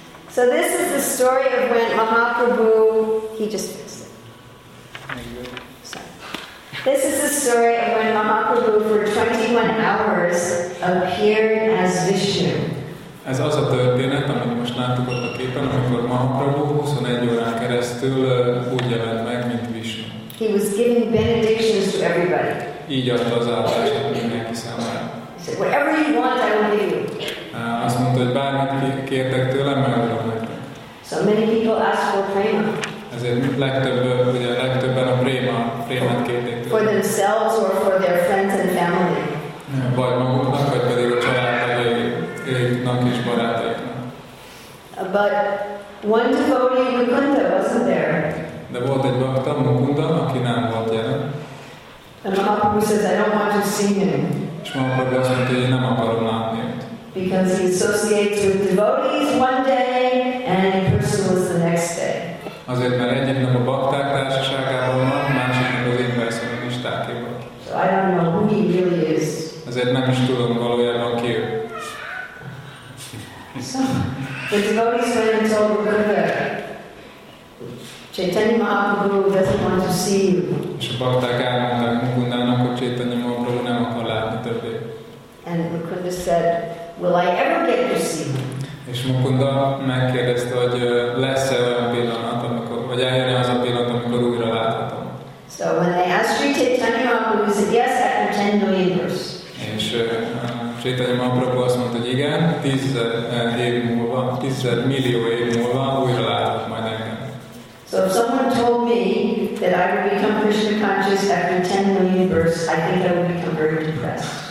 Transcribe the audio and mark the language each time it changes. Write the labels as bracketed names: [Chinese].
[English] So this is the story of when Mahaprabhu, he just fixed it. This is the story of when Mahaprabhu for 21 hours appeared as Vishnu. [Hungarian] Ez az a történet, amit most láttuk ott a képen, amikor Mahaprabhu 21 órán keresztül úgy jelent meg, mint Vishnu. [English] He was giving benedictions to everybody. [Hungarian] Így adta az áldását mindenki számára. [English] So whatever you want, I will give you. [Hungarian] Azt mondta, hogy bármit kértek tőlem, megadom nektek. [English] So many people ask for prema. [Hungarian] Ezért legtöbben a prémát kérték tőlem. [English] For themselves or for their friends and family. [Hungarian] Vagy maguknak, vagy pedig a családtagjaiknak és barátaiknak. [English] But one devotee Mukunda wasn't there. [Hungarian] De volt egy bhakta Mukunda, aki nem volt jelen. [English] And Mahaprabhu says, I don't want to see him. [Hungarian] És Mahaprabhu azt mondta, hogy én nem akarom látni. [English] Because he associates with devotees one day and impersonalists the next day. [Hungarian] Azért, mert egyik nap a bakták társaságában van, másik nap az impersonalistákéban. [English] So I don't know who he really is. [Hungarian] Azért nem is tudom valójában ki. [English] So the devotees went and told Mukunda, Chaitanya Mahaprabhu doesn't want to see you. [Hungarian] És a bakták elmondták Mukundának, hogy Chaitanya Mahaprabhu nem akar látni többé. [English] And Mukunda said, will I ever get to see him? [Hungarian] És Mukunda megkérdezte, hogy lesz-e olyan pillanat, amikor, vagy eljön-e az a pillanat, amikor újra láthatom. [English] So when they asked Sri Chaitanya Mahaprabhu, he said yes after 10 million years. [Hungarian] És Sri Chaitanya Mahaprabhu azt mondta, hogy igen, 10 millió év múlva újra láthatok majd engem. [English] So if someone told me that I would become Krishna conscious after 10 million years, I think I would become very depressed.